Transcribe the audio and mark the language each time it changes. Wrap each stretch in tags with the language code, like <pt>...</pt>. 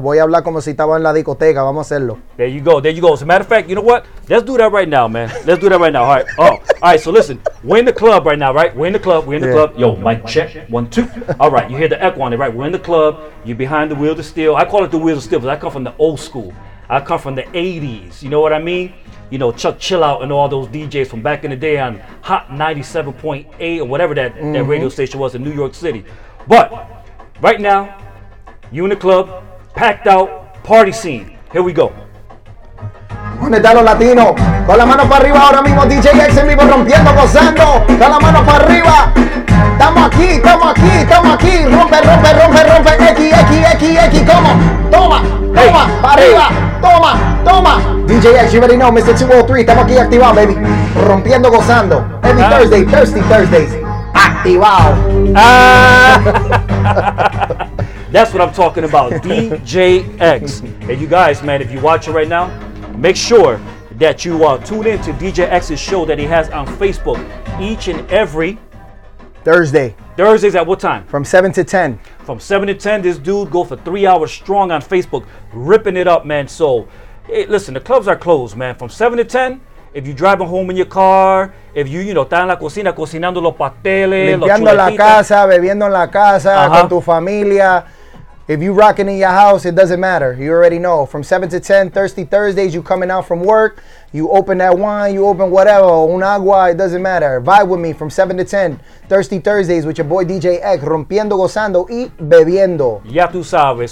<es>Voy a hablar como si estaba en la discoteca, vamos a hacerlo.</es> <en>There you go. As a matter of fact, you know what? Let's do that right now, man. All right. All right, so listen, we're in the club right now, right? We're in the club. Yo, mic check, 1, 2. All right, you hear the echo on it, right? We're in the club, you're behind the wheel of steel. I call it the wheel of steel because I come from the old school. I come from the 80s, you know what I mean? You know, Chuck Chillout and all those DJs from back in the day on Hot 97.8 or whatever that radio station was in New York City. But right now, you in the club, packed out, party scene. Here we go.</en> <es>¿Dónde están los latinos? Con la mano para arriba ahora mismo, DJ X en vivo rompiendo, gozando. Con la mano para arriba. Estamos aquí, estamos aquí, estamos aquí. Rompe, rompe, rompe, rompe. X. ¿Cómo? Toma, toma, hey, para arriba. Toma, toma. DJ X,</es> <en>you already know,</en> <es>Mr. 203. Estamos aquí activados, baby. Rompiendo, gozando.</es> <en>Every Thursday, Thirsty Thursdays. Activado. That's what I'm talking about, DJ X. And you guys, man, if you're watching right now, make sure that you tune in to DJ X's show that he has on Facebook each and every Thursday. Thursdays at what time? From 7 to 10. From 7 to 10, this dude go for 3 hours strong on Facebook, ripping it up, man. So, hey, listen, the clubs are closed, man. From 7 to 10, if you're driving home in your car, if you, you know,</en> <es>está en la cocina cocinando los pasteles, limpiando la casa, bebiendo en la casa, con tu familia.</es> <en>If you rocking in your house, it doesn't matter. You already know. From 7 to 10, Thirsty Thursdays, you coming out from work. You open that wine, you open whatever,</en> <es>un agua,</es> <en>it doesn't matter. Vibe with me from 7 to 10, Thirsty Thursdays with your boy DJ X,</en> <es>rompiendo, gozando y bebiendo. Ya tú sabes.</es>